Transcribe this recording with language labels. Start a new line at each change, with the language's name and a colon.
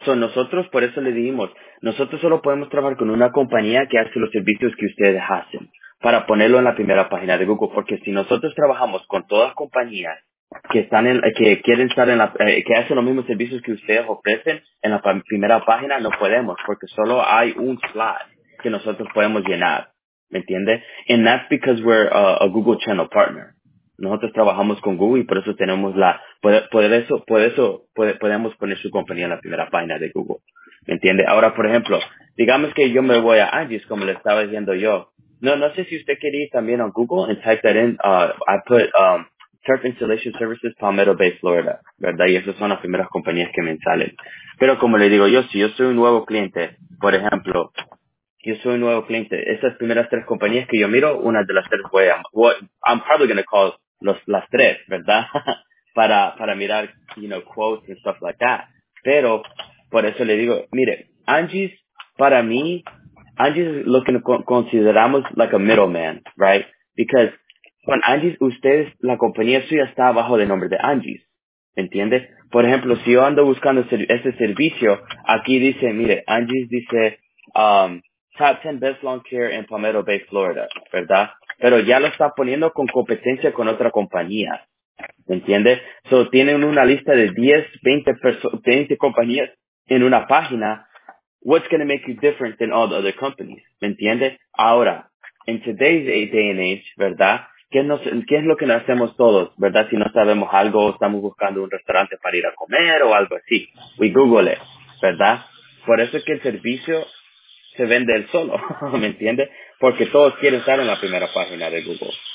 Spanish: Son nosotros, por eso le dijimos, nosotros solo podemos trabajar con una compañía que hace los servicios que ustedes hacen, para ponerlo en la primera página de Google. Porque si nosotros trabajamos con todas compañías que hacen los mismos servicios que ustedes ofrecen en la primera página, no podemos, porque solo hay un slot que nosotros podemos llenar, ¿me entiende?
English: And that's because we're a Google Channel partner.
Spanish: Nosotros trabajamos con Google y por eso tenemos podemos poner su compañía en la primera página de Google, ¿me entiende? Ahora, por ejemplo, digamos que yo me voy a Angie's, como le estaba diciendo yo. No sé si usted quiere ir también a Google
English: and type that in.
Spanish: Turf Installation Services, Palmetto Bay, Florida, ¿verdad? Y esas son las primeras compañías que me salen. Pero como le digo yo, si yo soy un nuevo cliente, por ejemplo, esas primeras tres compañías que yo miro, una de las tres voy a...
English: I'm probably going to call
Spanish: las tres, ¿verdad? para mirar,
English: you know, quotes and stuff like that.
Spanish: Pero por eso le digo, mire, Angie's, para mí, Angie's es lo que consideramos
English: like a middleman, right? Because...
Spanish: con Angie's, ustedes, la compañía suya está abajo del nombre de Angie's, ¿entiendes? Por ejemplo, si yo ando buscando este servicio, aquí dice, mire, Angie's dice, Top 10 Best Lawn Care in Palmetto Bay, Florida, ¿verdad? Pero ya lo está poniendo con competencia con otra compañía, ¿entiendes? So, tienen una lista de 20 compañías en una página.
English: What's going to make you different than all the other companies,
Spanish: ¿me entiendes?
English: Ahora, in today's day and age,
Spanish: ¿verdad? ¿Qué es lo que nos hacemos todos, verdad? Si no sabemos algo, estamos buscando un restaurante para ir a comer o algo así.
English: We Google it,
Spanish: ¿verdad? Por eso es que el servicio se vende él solo, ¿me entiendes? Porque todos quieren estar en la primera página de Google.